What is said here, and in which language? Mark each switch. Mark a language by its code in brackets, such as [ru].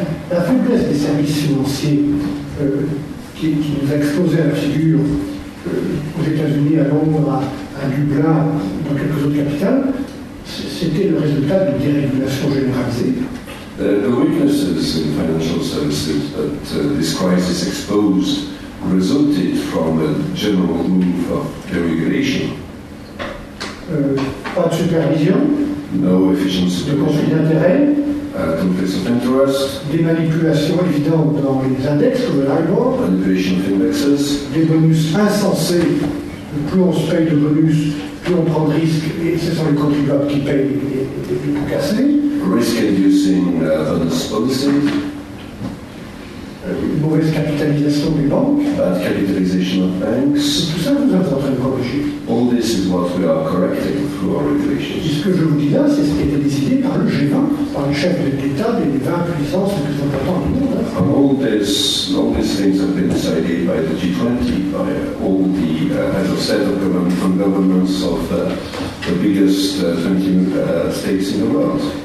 [fr] La faiblesse des services financiers qui nous a exposé à la figure aux États-Unis, à Londres, à Dublin, dans quelques autres capitales, c'était le résultat d'une dérégulation généralisée. [en] The weaknesses in financial services that this crisis exposed resulted from a general move of deregulation. [fr] Pas de supervision. [en] No efficient supervision. [fr] De conflit d'intérêts. [en] Conflicts of interest. [fr] Des manipulations évidentes dans les index comme l'IBOR. [en] Manipulation of indexes. [fr] Des bonus insensés. Plus on se paye de bonus, plus on prend de risques, et ce sont les contribuables qui payent les pots cassés. [en] Risk-inducing bonus policies. [fr] Une mauvaise capitalisation des banques. [en] Bad capitalisation of banks. [fr] Tout ça, nous sommes en train de corriger. [en] All this is what we are correcting through our regulations. [fr] Et ce que je vous dis là, c'est ce qui a été décidé par le G20, par les chefs d'État des 20 puissances les plus importantes du monde. [en] All these things have been decided by the G20, by all the heads of state and governments of the biggest 20 states in the world.